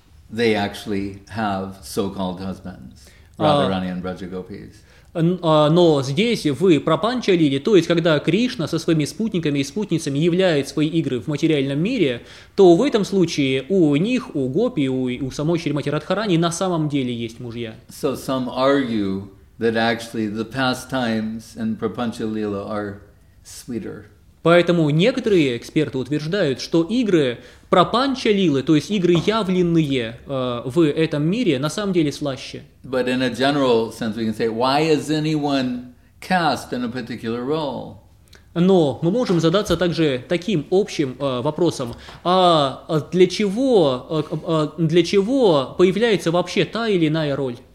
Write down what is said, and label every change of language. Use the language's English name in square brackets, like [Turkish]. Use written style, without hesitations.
[English] They actually have so-called husbands, Radharani and Brajagopis. [Russian] Но здесь вы пропанчалили, то есть когда Кришна со своими спутниками и спутницами являет свои игры в материальном мире, то в этом случае у них, у гопи, у самой Шримати Радхарани на самом деле есть мужья. [English] So some argue that actually the pastimes in Prapanchalila are sweeter. [Russian] Поэтому некоторые эксперты утверждают, что игры пропанчалилы, то есть игры, явленные в этом мире, на самом деле слаще. [English] But in a general sense, we can say, why is anyone cast in a particular role? [Russian] Но мы можем задаться также таким общим вопросом, а для чего появляется вообще та или иная роль?